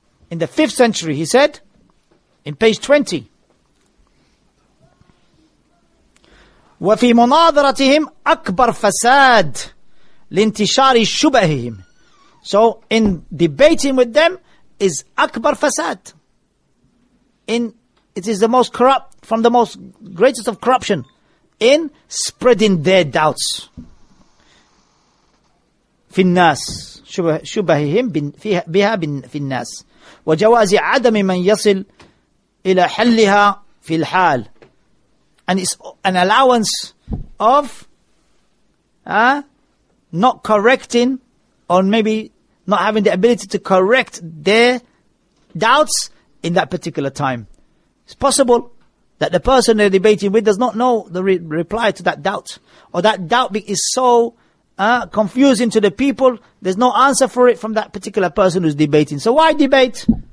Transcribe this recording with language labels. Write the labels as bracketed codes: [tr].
[en] In the 5th century, he said, in page 20, [ar] وَفِي مُنَاظَرَتِهِمْ أَكْبَرْ فَسَاد لِانْتِشَارِ شُبَهِهِمْ. [en] So, in debating with them, is [ar] أكبر فساد. [en] It is the most corrupt, from the most greatest of corruption, in spreading their doubts. [ar] في الناس شبههم بها في الناس وجواز عدم من يصل إلى حلها في الحال. [en] And it's an allowance of not correcting, or maybe not having the ability to correct their doubts in that particular time. It's possible that the person they're debating with does not know the reply to that doubt, or that doubt is so confusing to the people, there's no answer for it from that particular person who's debating. So why debate?